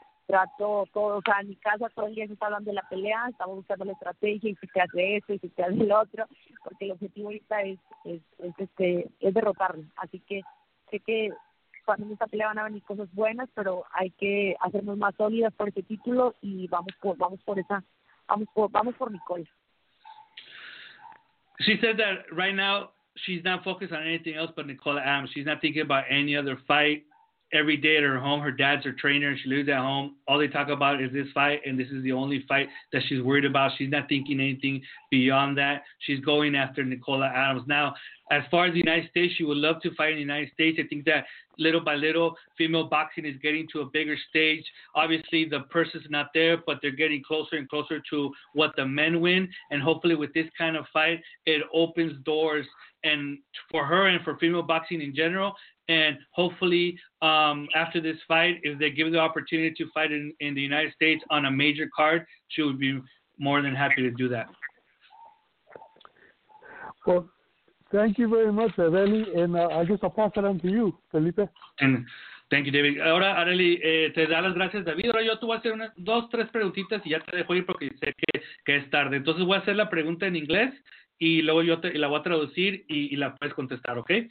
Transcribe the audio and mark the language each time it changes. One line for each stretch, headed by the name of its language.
Spanish: trato todo, o sea, en mi casa todo el día se está hablando de la pelea, estamos buscando la estrategia, y si te hace esto, y si te hace el otro, porque el objetivo ahorita es derrotarlo. Así que sé que cuando en esta pelea van a venir cosas buenas, pero hay que hacernos más sólidas por ese título y vamos por Nicole.
English: She said that right now she's not focused on anything else but Nicole Adams. She's not thinking about any other fight. Every day at her home, her dad's her trainer, and she lives at home. All they talk about is this fight, and this is the only fight that she's worried about. She's not thinking anything beyond that. She's going after Nicole Adams. Now, as far as the United States, she would love to fight in the United States. I think that little by little, female boxing is getting to a bigger stage. Obviously, the purse is not there, but they're getting closer and closer to what the men win. And hopefully with this kind of fight, it opens doors and for her and for female boxing in general. And hopefully after this fight, if they give the opportunity to fight in the United States on a major card, she would be more than happy to do that. Well, thank you very much, Areli. And I guess I'll pass it on to you, Felipe. And thank you, David.
Spanish: Ahora, Areli, te da las gracias, David. Ahora yo te voy a hacer unas dos, tres preguntitas y ya te dejo ir porque sé que es tarde. Entonces voy a hacer la pregunta en inglés y luego yo la voy a traducir y la puedes contestar, ¿ok?